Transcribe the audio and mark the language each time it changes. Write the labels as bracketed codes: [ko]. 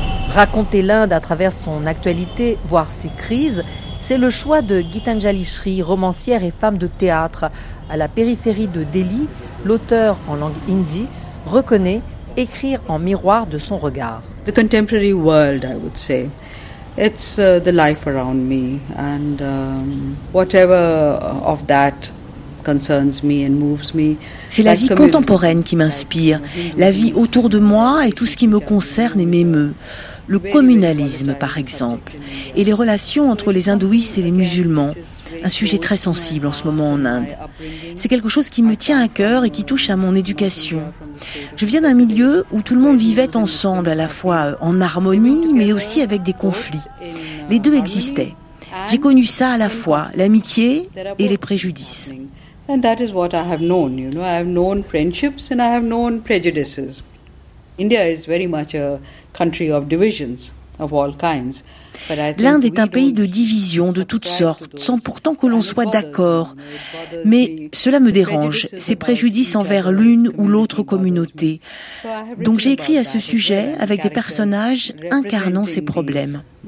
[fr] Raconter l'Inde à travers son actualité, voire ses crises, c'est le choix de Gitanjali Shri, romancière et femme de théâtre. À la périphérie de Delhi, l'auteur, en langue hindi, reconnaît écrire en miroir de son regard. [en] The contemporary world, I would say. It's the life around me and whatever of that. [fr] C'est la vie contemporaine qui m'inspire, la vie autour de moi et tout ce qui me concerne et m'émeut. Le communalisme, par exemple, et les relations entre les hindouistes et les musulmans, un sujet très sensible en ce moment en Inde. C'est quelque chose qui me tient à cœur et qui touche à mon éducation. Je viens d'un milieu où tout le monde vivait ensemble, à la fois en harmonie, mais aussi avec des conflits. Les deux existaient. J'ai connu ça à la fois, l'amitié et les préjudices. [en] And that is what I have known, you know. I have known friendships and I have known prejudices. India is very much a country of divisions of all kinds. [fr] L'Inde est un pays de divisions de toutes sortes, sans pourtant que l'on soit d'accord. Mais cela me dérange, ces préjudices envers l'une ou l'autre communauté. Donc j'ai écrit à ce sujet avec des personnages incarnant ces problèmes.